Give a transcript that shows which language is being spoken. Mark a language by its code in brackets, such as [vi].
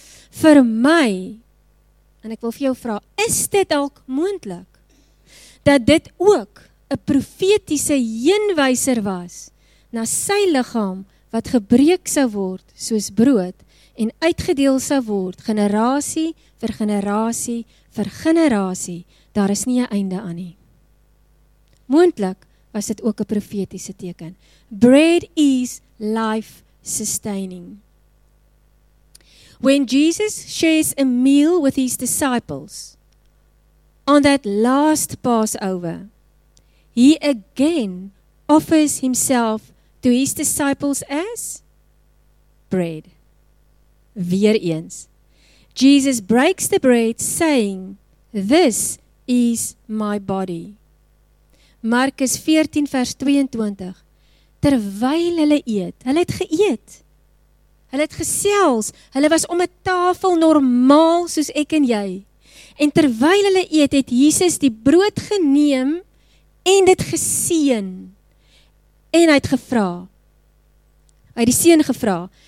[af] Vir my, en ek wil vir jou vra, is dit dalk moontlik dat dit ook 'n profetiese heenwyser was na sy liggaam wat gebreek sou word soos brood en uitgedeel sou word generasie vir generasie vir generasie. Daar is nie 'n einde aan nie. Moontlik was dit ook 'n profetiese teken. [en] Bread is life sustaining. When Jesus shares a meal with his disciples on that last Passover, he again offers himself to his disciples as bread. [af] Weer eens. [en] Jesus breaks the bread saying, "This is my body." [af] Markus 14 vers 22. Terwyl hulle eet, hulle het geëet. Hulle het gesels, hulle was om 'n tafel normaal soos ek en jy. En terwyl hulle eet, het Jesus die brood geneem en dit geseën. En hy het gevra. Hy het die seën gevra.